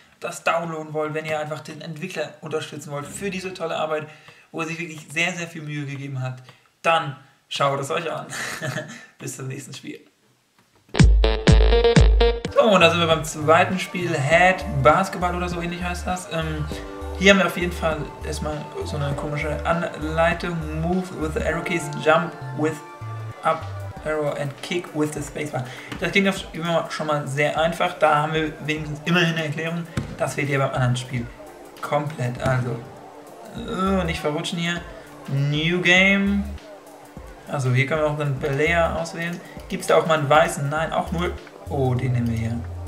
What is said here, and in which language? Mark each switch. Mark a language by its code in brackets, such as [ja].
[de] das downloaden wollt, wenn ihr einfach den Entwickler unterstützen wollt für diese tolle Arbeit, wo er sich wirklich sehr, sehr viel Mühe gegeben hat, dann schaut es euch an. Bis zum nächsten Spiel. So, und da sind wir beim zweiten Spiel, Head Basketball oder so ähnlich heißt das. Hier haben wir auf jeden Fall erstmal so eine komische Anleitung. [en] Move with the arrow keys, jump with up arrow and kick with the spacebar. [de] Das klingt immer schon mal sehr einfach. Da haben wir wenigstens immerhin eine Erklärung. Das fehlt ja beim anderen Spiel komplett. Also, nicht verrutschen hier. New game. Also hier können wir auch einen Player auswählen. Gibt es da auch mal einen weißen? Nein, auch nur... Oh, den nehmen wir hier.